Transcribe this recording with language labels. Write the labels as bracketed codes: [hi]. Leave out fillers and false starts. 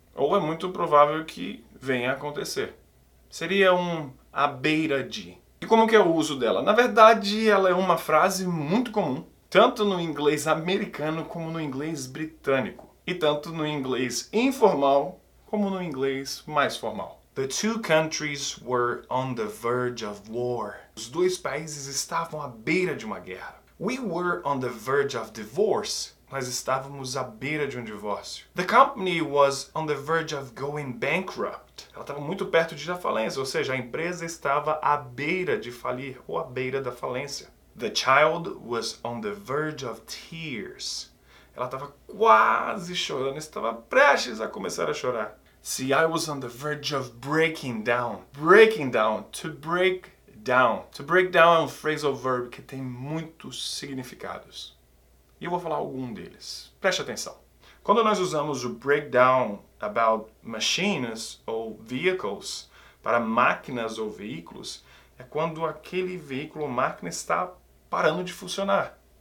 [pt] Ou é muito provável que venha a acontecer. Seria um à beira de. E como que é o uso dela? Na verdade, ela é uma frase muito comum, tanto no inglês americano como no inglês britânico. E tanto no inglês informal como no inglês mais formal. [en] The two countries were on the verge of war. [pt] Os dois países estavam à beira de uma guerra. [en] We were on the verge of divorce. [pt] Nós estávamos à beira de um divórcio. [en] The company was on the verge of going bankrupt. [pt] Ela estava muito perto de ir à falência, ou seja, a empresa estava à beira de falir ou à beira da falência. [en] The child was on the verge of tears. [pt] Ela estava quase chorando, estava prestes a começar a chorar. [en] See, I was on the verge of breaking down. Breaking down, to break down. To break down [pt] é um phrasal verb que tem muitos significados. E eu vou falar algum deles. Preste atenção. Quando nós usamos o [en] break down about machines [pt] ou [en] vehicles [pt] para máquinas ou veículos, é quando aquele veículo ou máquina está parando de funcionar.